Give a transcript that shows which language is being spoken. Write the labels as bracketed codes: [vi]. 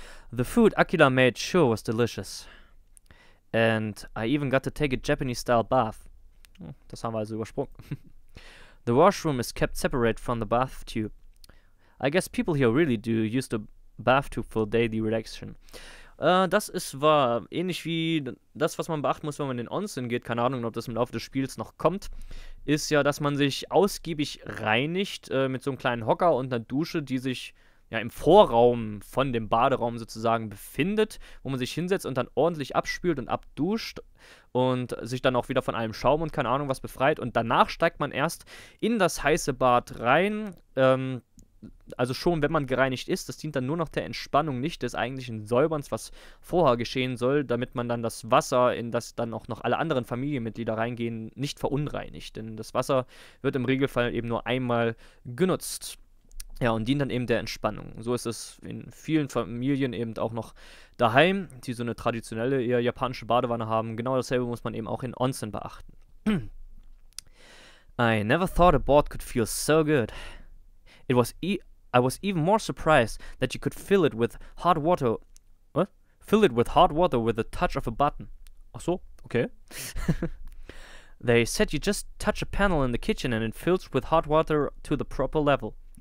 [en] The food Akira made sure was delicious. And I even got to take a Japanese-style bath. [de] Das haben wir also übersprungen. [en] The washroom is kept separate from the bath tube. I guess people here really do use the bath tube for daily relaxation. [de] Das ist wahr. Ähnlich wie das, was man beachten muss, wenn man in Onsen geht, keine Ahnung, ob das im Laufe des Spiels noch kommt, ist ja, dass man sich ausgiebig reinigt mit so einem kleinen Hocker und einer Dusche, die sich ja im Vorraum von dem Baderaum sozusagen befindet, wo man sich hinsetzt und dann ordentlich abspült und abduscht und sich dann auch wieder von allem Schaum und keine Ahnung was befreit. Und danach steigt man erst in das heiße Bad rein, also schon wenn man gereinigt ist. Das dient dann nur noch der Entspannung, nicht des eigentlichen Säuberns, was vorher geschehen soll, damit man dann das Wasser, in das dann auch noch alle anderen Familienmitglieder reingehen, nicht verunreinigt. Denn das Wasser wird im Regelfall eben nur einmal genutzt. Ja, und dient dann eben der Entspannung. So ist es in vielen Familien eben auch noch daheim, die so eine traditionelle, eher japanische Badewanne haben. Genau dasselbe muss man eben auch in Onsen beachten. [en] I never thought a board could feel so good. I was even more surprised that you could fill it with hot water. What? Fill it with hot water with a touch of a button. [de] Ach so, okay. [en] They said you just touch a panel in the kitchen and it fills with hot water to the proper level.